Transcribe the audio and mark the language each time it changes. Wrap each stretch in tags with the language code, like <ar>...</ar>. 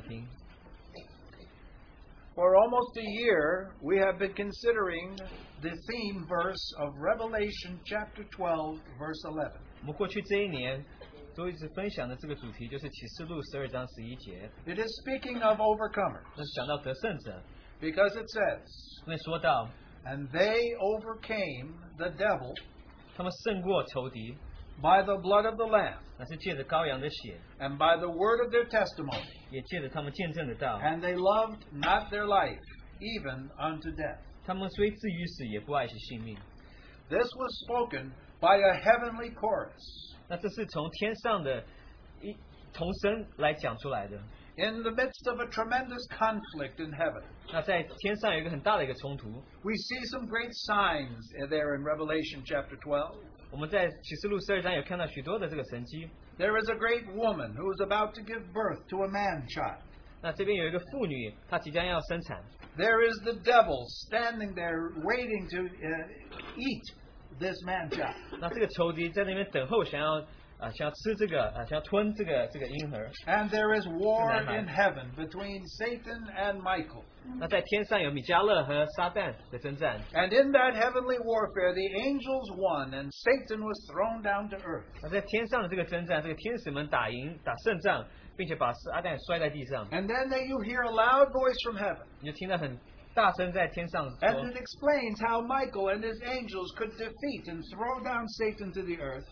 <zh>凡得胜的必这样穿白衣，我也必不从生命册上涂抹他的名，且要在我父面前和我父众使者面前认他的名。圣灵向众教会所说的话，凡有耳的就应当听。</zh> <en>For almost a year, we have been considering the theme verse of Revelation chapter 12, verse 11.</en> <zh>我们过去这一年都一直分享的这个主题就是启示录十二章十一节。</zh> <en>It is speaking of overcomers.</en> <zh>那是讲到得胜者。</zh> <en>Because it says,</en> <zh>因为说到,</zh> <en>And they overcame the devil</en> <zh>他们胜过仇敌,</zh> <en>by the blood of the Lamb</en> <zh>那是借着羔羊的血,</zh> <en>and by the word of their testimony</en> <zh>也借着他们见证的道,</zh> <en>and they loved not their life even unto death.</en> <zh>他们虽至于死也不爱惜性命。</zh> <en>This was spoken by a heavenly chorus in the midst of a tremendous conflict in heaven. We see some great signs there in Revelation chapter 12. There is a great woman who is about to give birth to a man child.</en> <zh>那这边有一个妇女,</zh> <en>there is the devil standing there waiting to eat this man child.</en> <zh>那这个仇敌在那边等候，想要想要吃这个婴儿,</zh> <en>and there is war in heaven between Satan and Michael.</en> <zh>那在天上有米迦勒和撒旦的征战,</zh> <en>and in that heavenly warfare, the angels won and Satan was thrown down to earth.</en> <zh>那在天上的这个征战,这个天使们打赢,打胜仗,</zh> <en>and then you hear a loud voice from heaven. And it explains how Michael and his angels could defeat and throw down Satan to the earth.</en>